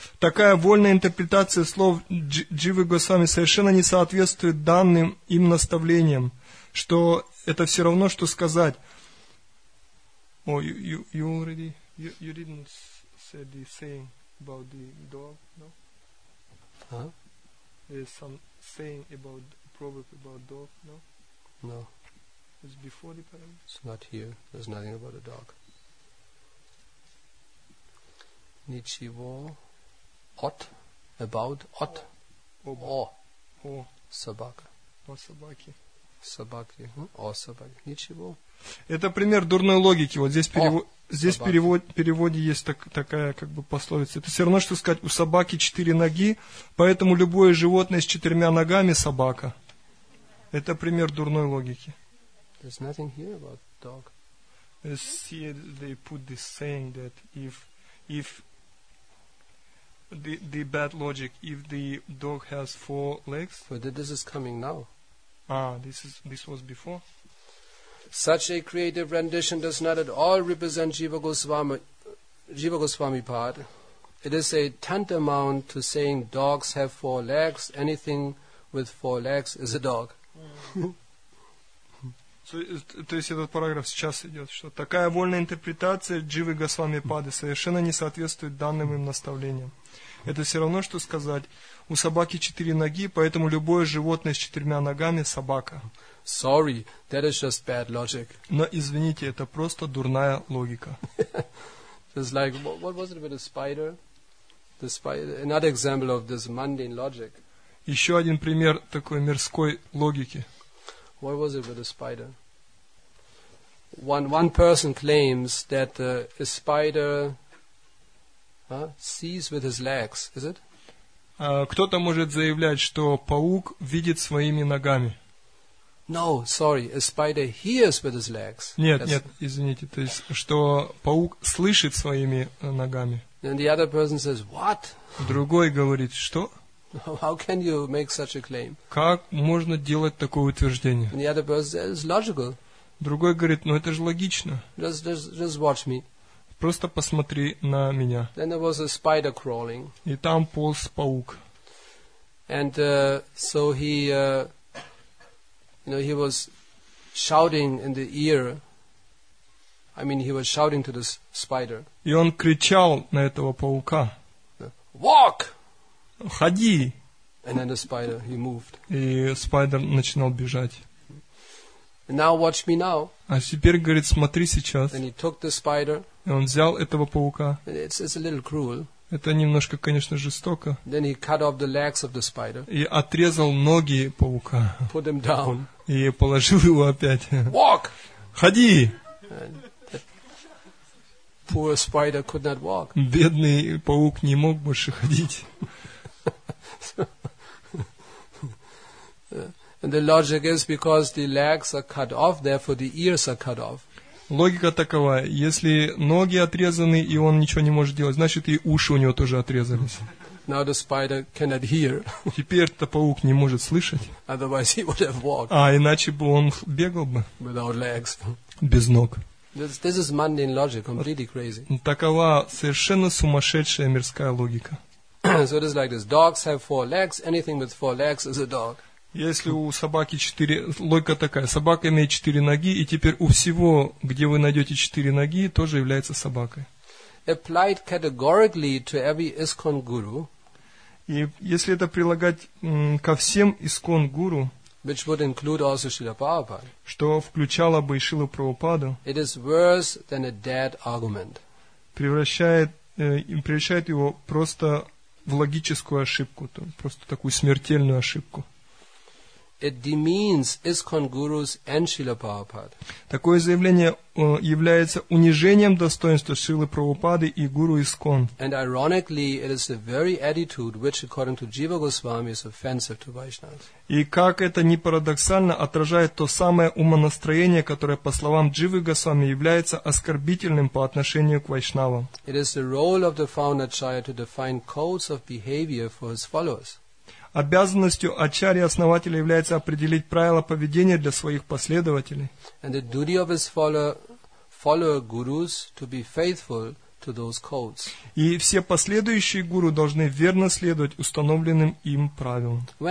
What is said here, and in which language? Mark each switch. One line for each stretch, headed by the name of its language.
Russian: Такая вольная интерпретация слов Дживы Госвами совершенно не соответствует данным им наставлениям, что это все равно, что сказать.
English: О, you didn't say the saying about the dog, no? Huh? There's some saying about proverb about dog, no? No. It's before the parable. It's not here. There's nothing about a dog.
Russian: Ничего. Ot.
English: About.
Russian: Ot. О. О. Собака. О собаке. Собаки. О собаке. Ничего. Это пример дурной логики. Вот здесь в переводе есть такая как бы пословица. Это все равно, что сказать, у собаки четыре ноги, поэтому любое животное с четырьмя ногами – собака. Это пример дурной логики.
English: There's nothing here about dog. See, they put this saying that if the bad logic, if the dog has four legs. But this is coming now. This was before. Such a creative rendition does not at all represent Jiva Goswami part. It is a tantamount to saying dogs have four legs. Anything with four legs is a dog.
Russian: То есть этот параграф сейчас идет, что такая вольная интерпретация Дживы Госвами Пады совершенно не соответствует данным им наставлениям. Это все равно, что сказать, у собаки четыре ноги, поэтому любое животное с четырьмя ногами – собака.
English: Sorry, that is just bad logic.
Russian: Но извините, это просто дурная логика.
English: It's like, what was it with the spider, another example of this mundane logic.
Russian: Еще один пример такой мирской логики.
English: What was it with a spider? One person claims that a spider sees with his legs, is it?
Russian: Кто-то может заявлять, что паук видит своими ногами.
English: No, sorry, a spider hears with his legs.
Russian: Нет, извините, то есть, что паук слышит своими ногами.
English: And the other person says, what?
Russian: Другой говорит, что?
English: How can you make such a claim?
Russian: Как можно делать такое утверждение?
English: And the other person says, it's logical.
Russian: Другой говорит, ну это же логично.
English: Just watch me.
Russian: Просто посмотри на меня.
English: Then there was a spider crawling.
Russian: И там полз паук.
English: And so he, you know, he was shouting in the ear. I mean, he was shouting to this spider.
Russian: И он кричал на этого паука.
English: Walk!
Russian: Ходи.
English: And then the spider, he moved.
Russian: И спайдер начинал бежать.
English: Now watch me now.
Russian: А теперь, говорит, смотри сейчас.
English: And he took the spider.
Russian: И он взял этого паука.
English: It's a little cruel.
Russian: Это немножко, конечно, жестоко.
English: Then he cut off the legs of the spider.
Russian: И отрезал ноги паука.
English: Put him down.
Russian: И положил его опять.
English: Walk.
Russian: Ходи.
English: Poor spider could not walk.
Russian: Бедный паук не мог больше ходить.
English: And the logic is because the legs are cut off, therefore the ears are cut off.
Russian: Логика такова: если ноги отрезаны и он ничего не может делать, значит и уши у него тоже отрезались.
English: Now the spider cannot hear.
Russian: Теперь-то паук не может слышать.
English: Otherwise he would have walked.
Russian: А иначе бы он бегал бы.
English: Without legs.
Russian: Без ног.
English: This is mundane logic, completely crazy.
Russian: Такова совершенно сумасшедшая мирская логика.
English: So it is like this: dogs have four legs. Anything with four legs is a dog.
Russian: Если у собаки четыре, логика такая: собака имеет четыре ноги, и теперь у всего, где вы найдете четыре ноги, тоже является собакой.
English: Applied categorically to every ISKCON guru.
Russian: И если это прилагать ко всем ISKCON guru,
English: which would include also Srila Prabhupada,
Russian: что включало бы и Шрилу Прабхупаду,
English: it is worse than a dead argument.
Russian: превращает его просто в логическую ошибку, просто такую смертельную ошибку.
English: It demeans ISKCON gurus and Srila Prabhupada.
Russian: Такое заявление является унижением достоинства Шрилы Прабхупады и гуру ИСКОН.
English: And ironically, it is the very attitude which, according to Jiva Goswami, is offensive to Vaishnavas.
Russian: И как это ни парадоксально, отражает то самое умонастроение, которое, по словам Дживы Госвами, является оскорбительным по отношению к вайшнавам.
English: It is the role of the founder Acharya to define codes of behavior for his followers.
Russian: Обязанностью ачарьи-основателя является определить правила поведения для своих последователей. И все последующие гуру должны верно следовать установленным им правилам.